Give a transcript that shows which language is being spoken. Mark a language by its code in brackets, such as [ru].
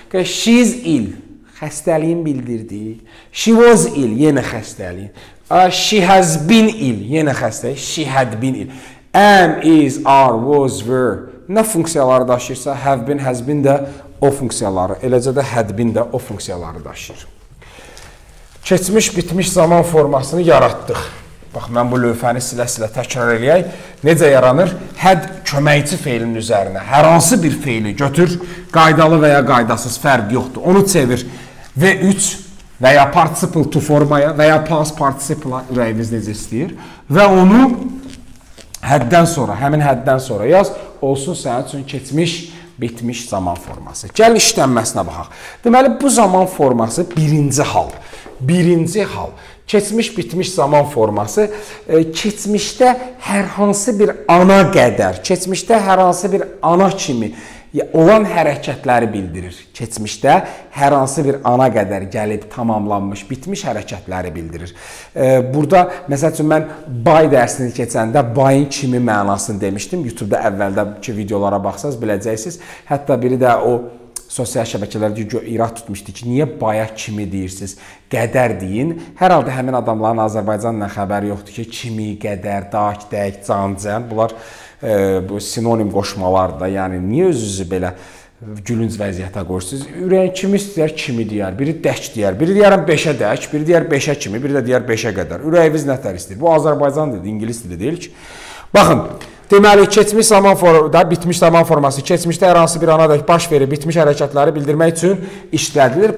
[en] She is ill, [az] xəstəliyin bildirdi. [en] She was ill, [az] yenə xəstəliyin. [en] She has been ill, [az] yenə xəstəliyin. [en] She had been ill. Am, is, are, was, were. [az] Nə funksiyaları daşırsa, [en] have been, has been [az] də o funksiyaları, eləcə də [en] had been [az] də o funksiyaları daşır. Keçmiş, bitmiş zaman formasını yaratdıq. Bax, mən bu lövhəni silə-silə təkrar eləyək. Necə yaranır? Had köməkçi feylinin üzərinə. Hər hansı bir feyli götür, qaydalı və ya qaydasız, fərq yoxdur. Onu çevir. Və 3 və ya participle to formaya və ya past participle-a ürəyiniz necə istəyir? Və onu həddən sonra, həmin həddən sonra yaz. Olsun sənin üçün keçmiş, bitmiş zaman forması. Gəl işlənməsinə baxaq. Deməli, bu zaman forması birinci hal. Birinci hal. Keçmiş, bitmiş zaman forması. Keçmişdə hər hansı bir ana qədər, keçmişdə hər hansı bir ana kimi olan hərəkətləri bildirir. Keçmişdə hər hansı bir ana qədər gəlib tamamlanmış, bitmiş hərəkətləri bildirir. Burada, məsəl üçün, mən by dərsini keçəndə by-in kimi mənasını demişdim. YouTube-da əvvəldəki videolara baxsanız, biləcəksiniz. Hətta biri də o sosial şəbəkələrdə irad tutmuşdu ki, niyə baya kimi deyirsiniz, qədər deyin. Hər halda həmin adamların Azərbaycanla xəbəri yoxdur ki, kimi, qədər, daq, dək, can, cən. Bunlar bu sinonim qoşmalardır. Yəni, niyə özünüzü belə gülünc vəziyyətə qoşsunuz? Ürəyin kimi istəyər, kimi deyər. Biri dək deyər. Biri deyərəm 5-ə dək, biri deyər 5-ə kimi, biri də deyər 5-ə qədər. Ürəyiniz nə tər istəyir? Bu Azərbaycan dili, ingilis dili deyil ki. Baxın, deməli, keçmiş zaman formada, bitmiş zaman forması, keçmişdə hər hansı bir anadək baş verir, bitmiş hərəkətləri bildirmək üçün işlədilir.